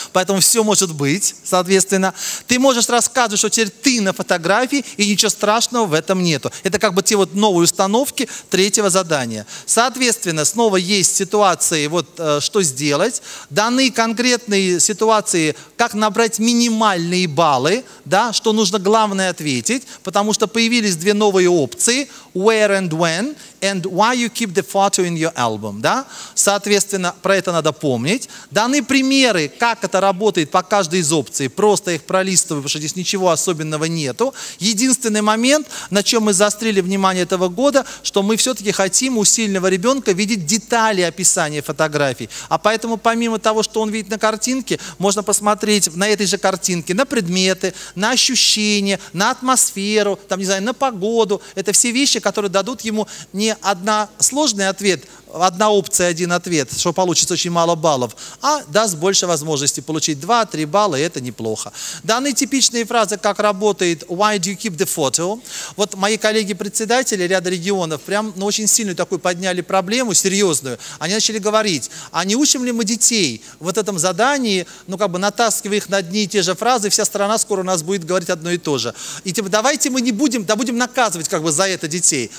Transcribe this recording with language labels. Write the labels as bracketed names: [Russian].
[Russian] Поэтому все может быть, соответственно. Ты можешь рассказывать, что теперь ты на фотографии, и ничего страшного в этом нету. Это как бы те вот новые установки третьего задания. Соответственно, снова есть ситуации, вот что сделать. Даны конкретные ситуации, как набрать минимальные баллы, да? Что нужно главное ответить. Потому что появились две новые опции: where and when, and why you keep the photo in your album. Да? Соответственно, про это надо помнить. Даны примеры, как это работает по каждой из опций. Просто их пролистываю, потому что здесь ничего особенного нету. Единственный момент, на чем мы заострили внимание этого года, что мы все-таки хотим у сильного ребенка видеть детали описания фотографий. А поэтому, помимо того, что он видит на картинке, можно посмотреть на этой же картинке на предметы, на ощущения, на атмосферу, там, не знаю, на погоду. Это все вещи, которые дадут ему не одна сложный ответ, одна опция, один ответ, что получится очень мало баллов, а даст больше возможностей получить 2-3 балла, и это неплохо. Даны типичные фразы, как работает [English] «Why do you keep the photo?». [Russian] Вот мои коллеги-председатели ряда регионов прям очень сильную такую подняли проблему, серьезную. Они начали говорить, а не учим ли мы детей в этом задании, ну как бы натаскивая их на одни и те же фразы, вся страна скоро у нас будет говорить одно и то же. И типа давайте мы не будем, да будем наказывать как бы за это детей.